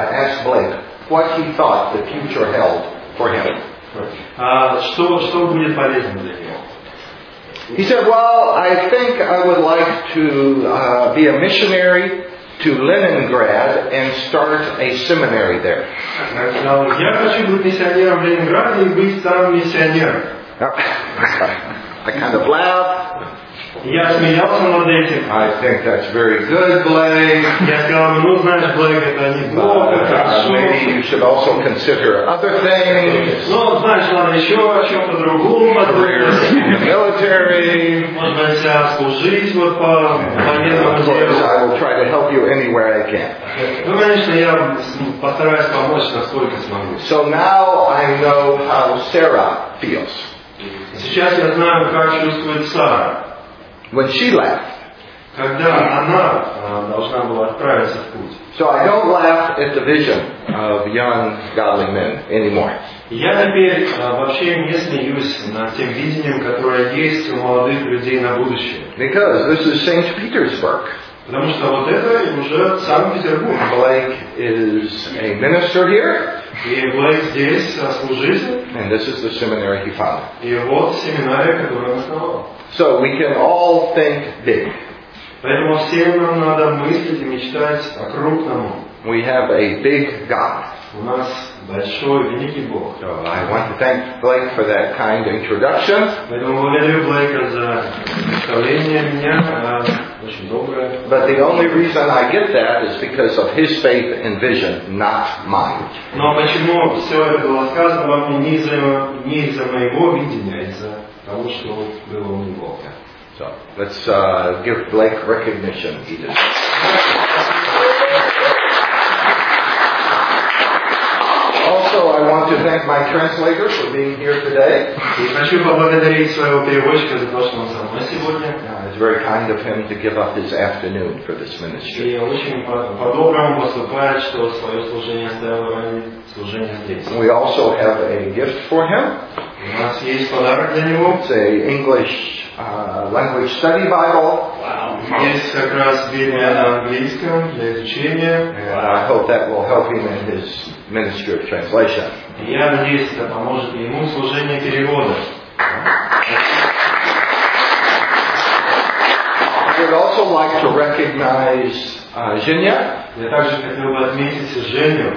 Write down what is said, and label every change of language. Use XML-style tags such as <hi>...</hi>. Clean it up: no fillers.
<en>asked Blake what he thought the future held for him.</en> <ru>Что будет полезно для него?</ru> <en>He said, well, I think I would like to be a missionary to Leningrad and start a seminary there.</en> <ru>Я хочу быть миссионером в Ленинграде и быть там миссионером.</ru> <en>I kind of laughed.</en> <ru>Я смеялся над этим.</ru> <en>I think that's very good, Blake.</en> <ru>Я сказал, ну знаешь, Блейк, это не плохо.</ru> <en>Maybe you should also consider other things.</en> <ru>Ну, знаешь, ладно, еще о чем-то другом.</ru> <en>Career in the military.</en> <ru>Можно себя служить вот по полезному делу.</ru> <en>Of course, I will try to help you anywhere I can.</en> <ru>Ну, конечно, я постараюсь помочь, насколько смогу.</ru> <en>So now I know how Sarah feels.</en> <ru>Сейчас я знаю, как чувствует Сара.</ru> <en>When she left.</en> <ru>Когда она должна была отправиться в путь.</ru> <en>So I don't laugh at the vision of young godly men anymore.</en> <ru>Я теперь вообще не смеюсь над тем видением, которое есть у молодых людей на будущее.</ru> <en>Because this is St. Petersburg.</en> <ru>Потому что вот это уже Санкт-Петербург.</ru> <en>Blake is a minister here.</en> <ru>И Блейк здесь служитель.</ru> <en>And this is the seminary he founded.</en> <ru>И вот семинария, которую он основал.</ru> <en>So we can all think big.</en> <ru>Поэтому всем нам надо мыслить и мечтать о крупном.</ru> <en>We have a big God.</en> <ru>У нас большой, великий Бог.</ru> <en>So I want to thank Blake for that kind introduction.</en> <ru>Поэтому благодарю Блейка за представление меня. Очень доброе.</ru> <en>But the only reason I get that is because of his faith and vision, not mine.</en> <ru>Но почему все это было сказано во мне не из-за моего видения, а из-за того, что было у него.</ru> <en>So let's give Blake recognition, Edith. Also, I want to thank my translator for being here today.</en> <ru>И хочу поблагодарить своего переводчика за то, что он со мной сегодня.</ru> <en>It's very kind of him to give up his afternoon for this ministry.</en> <ru>И очень по-доброму поступает, что свое служение оставил ранее служение здесь.</ru> <en>We also have a gift for him.</en> <ru>У нас есть подарок для него.</ru> <en>It's an English language study Bible. Wow.</en> <ru>Есть как раз Библия на английском для изучения.</ru> <en>And I hope that will help him in his ministry of translation.</en> <ru>Я надеюсь, это поможет ему в служении перевода.</ru> <en>I would also like to recognize Женя.</en> <ru>Я также хотел бы отметить Женю.</ru>